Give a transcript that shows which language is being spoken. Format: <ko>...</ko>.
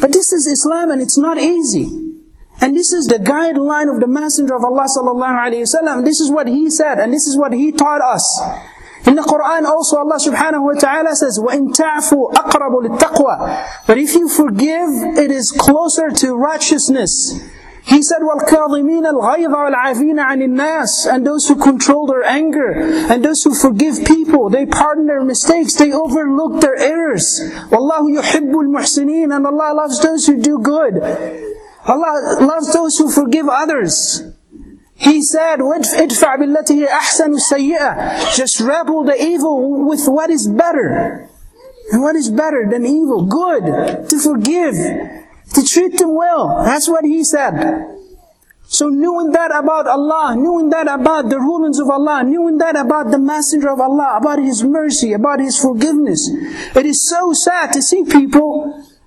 <en>But this is Islam and it's not easy. And this is the guideline of the Messenger of Allah sallallahu alayhi wa sallam. This is what he said and this is what he taught us. In the Quran also Allah subhanahu wa ta'ala says,</en> <ar>وَإِن تَعْفُوا أَقْرَبُ لِلتَّقْوَى.</ar> <en>But if you forgive, it is closer to righteousness. He said,</en> <ar>وَالْكَاظِمِينَ الْغَيْظَ وَالْعَافِينَ عَنِ النَّاسِ.</ar> <en>And those who control their anger, and those who forgive people, they pardon their mistakes, they overlook their errors.</en> <ar>وَاللَّهُ يُحِبُّ الْمُحْسِنِينَ.</ar> <en>And Allah loves those who do good. Allah loves those who forgive others. He said,</en> <ar>وَادْفَعْ بِالَّتِي هِيَ أَحْسَنُ السَّيِّئَةَ.</ar> <en>Just rebel the evil with what is better. And what is better than evil? Good. To forgive. To treat them well. That's what he said. So knowing that about Allah, knowing that about the rulings of Allah, knowing that about the Messenger of Allah, about His mercy, about His forgiveness. It is so sad to see people</en>